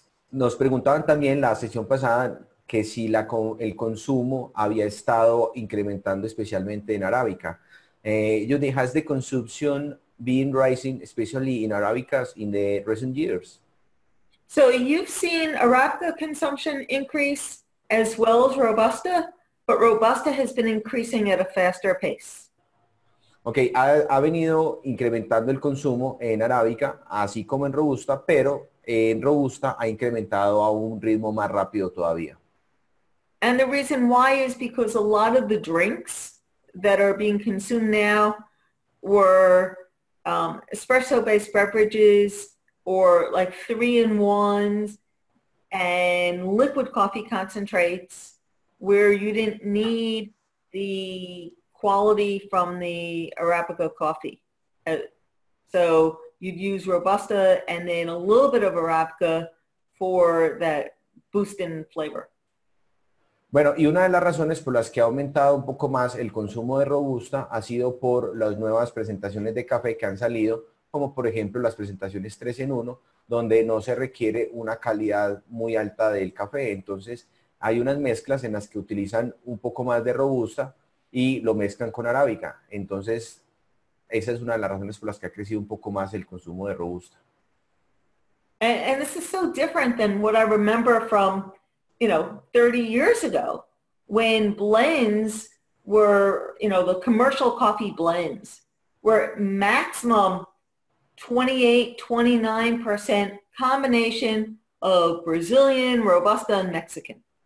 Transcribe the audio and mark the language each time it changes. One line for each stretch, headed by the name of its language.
Spanish: Nos preguntaban también la sesión pasada que si el consumo había estado incrementando especialmente en arábica.
English: Judy, has the consumption been rising, especially in Arabicas, in the recent years? So you've seen Arabica consumption increase as well as Robusta, but Robusta has been increasing at a faster pace.
Spanish: Okay, ha venido incrementando el consumo en Arábica, así como en Robusta, pero en Robusta ha incrementado a un ritmo más rápido todavía.
English: And the reason why is because a lot of the drinks that are being consumed now were espresso-based beverages or like 3-in-1s and liquid coffee concentrates where you didn't need the quality from the Arabica coffee. So you'd use Robusta and then a little bit of Arabica for that boost in flavor.
Spanish: Bueno, y una de las razones por las que ha aumentado un poco más el consumo de Robusta ha sido por las nuevas presentaciones de café que han salido, como por ejemplo las presentaciones 3 en 1, donde no se requiere una calidad muy alta del café. Entonces, hay unas mezclas en las que utilizan un poco más de Robusta y lo mezclan con Arábica. Entonces, esa es una de las razones por las que ha crecido un poco más el consumo de Robusta.
English: And this is so different than what I remember from, you know, 30 years ago, when blends were, you know, the commercial coffee blends were maximum 28-29% combination of Brazilian, Robusta, and Mexican.